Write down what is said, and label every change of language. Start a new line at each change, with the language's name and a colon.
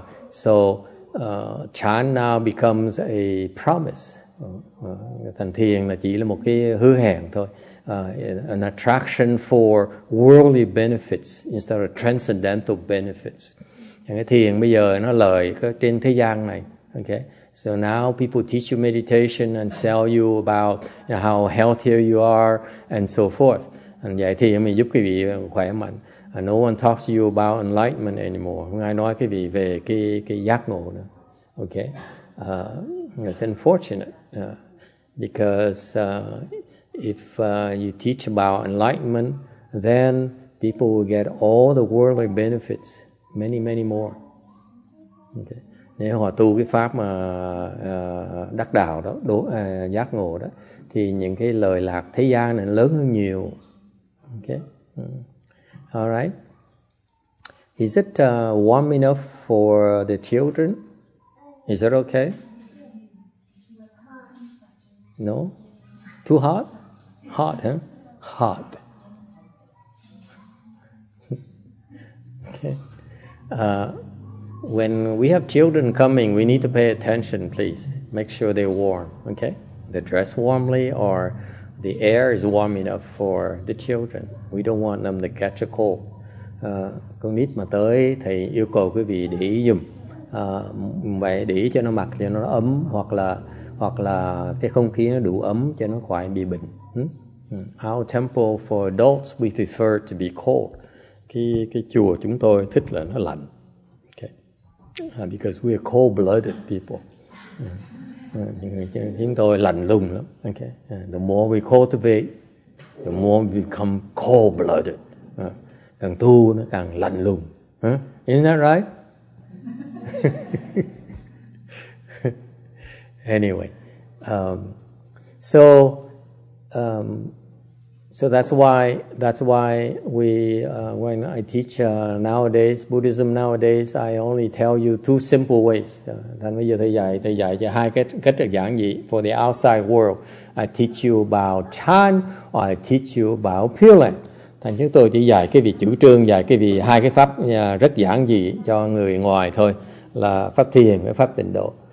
English: So chan now becomes a promise.
Vietnamese: Thành thiền là chỉ là một cái hứa hẹn thôi.
English: An attraction for worldly benefits instead of transcendental benefits.
Vietnamese: Cái thiền bây giờ nó lợi trên thế gian này.
English: Okay, so now people teach you meditation and sell you about how healthier you are and so forth.
Vietnamese: And vậy thì mình giúp quý vị khỏe mạnh.
English: And no one talks to you about enlightenment anymore.
Vietnamese: Không ai nói quý vị về cái giác ngộ nữa.
English: Okay, that's unfortunate. Because if you teach about enlightenment, then people will get all the worldly benefits, many, many more. Okay.
Vietnamese: Nếu họ tu cái pháp mà đắc đạo đó, giác ngộ đó, thì những cái lợi lạc thế gian này lớn hơn nhiều.
English: Okay. All right. Is it warm enough for the children? Is it okay? No? Too hot? Hot, huh? Hot. Okay. When we have children coming, we need to pay attention, please. Make sure they're warm, okay? They dress warmly or the air is warm enough for the children. We don't want them to catch a cold.
Vietnamese: Con nít mà tới, thầy yêu cầu quý vị để ý dùm. Vậy để ý cho nó mặc cho nó ấm hoặc là cái không khí nó đủ ấm cho nó khỏi bị bệnh.
English: Our temple for adults, we prefer to be cold.
Vietnamese: Cái chùa chúng tôi thích là nó lạnh.
English: Because we are cold-blooded people.
Vietnamese: Chúng tôi lạnh lùng lắm. Okay.
English: The more we cultivate, the more we become cold-blooded.
Vietnamese: Càng tu nó càng lạnh lùng.
English: Isn't that right? Anyway. So that's why when I teach nowadays Buddhism nowadays, I only tell you two simple ways.
Vietnamese: Thành bây giờ thầy dạy cho hai cách giảng gì.
English: For the outside world, I teach you about Chan or I teach you about Pure Land.
Vietnamese: Thành chúng tôi chỉ dạy cái vị chủ trương, dạy cái vị hai cái pháp rất giản dị cho người ngoài thôi, là pháp thiền và pháp tịnh độ.